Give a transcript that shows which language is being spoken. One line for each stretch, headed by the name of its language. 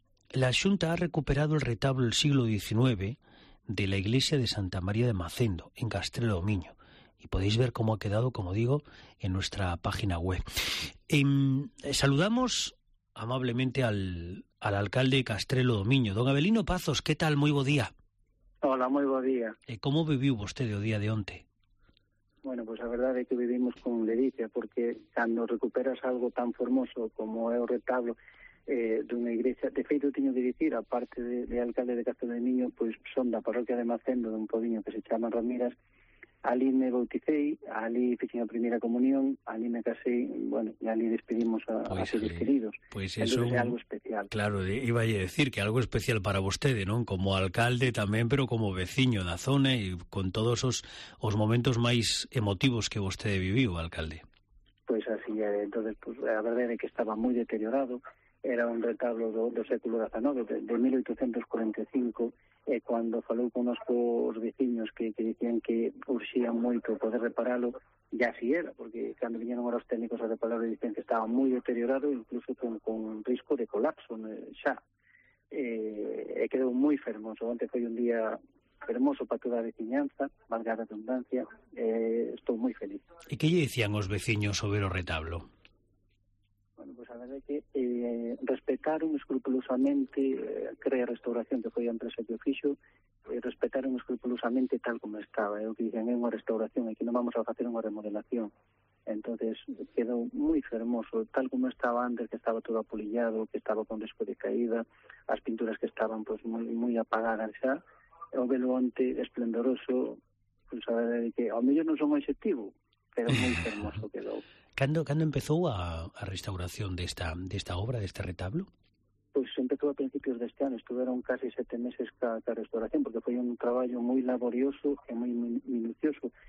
Spanish: La Xunta ha recuperado el retablo del siglo XIX de la iglesia de Santa María de Macendo, en Castrelo do Miño. Y podéis ver cómo ha quedado, como digo, en nuestra página web. Saludamos amablemente al alcalde Castrelo do Miño. Don Avelino Pazos, ¿qué tal? Muy buen día. Hola, muy buen día. ¿Cómo vivió usted
Galician: o día de onte? Bueno, pues a verdade é que vivimos con delicia, porque cando recuperas algo tan formoso como é o retablo dunha igrexa, de feito, teño que dicir, aparte de alcalde de Castrelo do Miño, pues son da parroquia de Macendo, dun podiño que se chama Ramiras. Alí me bauticei, alí fixen a primeira comunión, alí me casei, bueno, e alí despedimos a seres queridos. Pues eso é algo especial.
Spanish: Claro, iba a decir que algo especial
Galician: para vostede, non? Como alcalde tamén, pero como veciño da zona e con todos os momentos máis emotivos que vostede viviu, alcalde. Pues así, entonces, pues, a verdade é que estaba moi deteriorado, era un retablo do século XIX, de 1845, e cando falou con os veciños que dicían que urxía moito poder reparalo, e así era, porque cando viñeron os técnicos a reparalo, dicen que estaba moi deteriorado, incluso con risco de colapso, xa. E quedou moi fermoso. Onte foi un día fermoso para toda a veciñanza, valga a redundancia, estou moi feliz. E que lle dicían os veciños sobre o retablo? Bueno, pues a verdade é que respetaron escrupulosamente, crea a restauración que foi a empresa que o fixo, respetaron escrupulosamente tal como estaba. O que dicen é unha restauración, aquí non vamos a facer unha remodelación. Entonces quedou moi fermoso, tal como estaba antes, que estaba todo apolillado, que estaba con risco de caída, as pinturas que estaban pues moi apagadas xa. O velo onte esplendoroso, pues a verdade é que ao mellor non son obxectivo, pero moi fermoso quedou. Cando empezou a restauración desta obra, deste retablo? Pois empezou a principios deste ano, estuveron casi 7 meses ca restauración, porque foi un traballo moi laborioso e moi minucioso.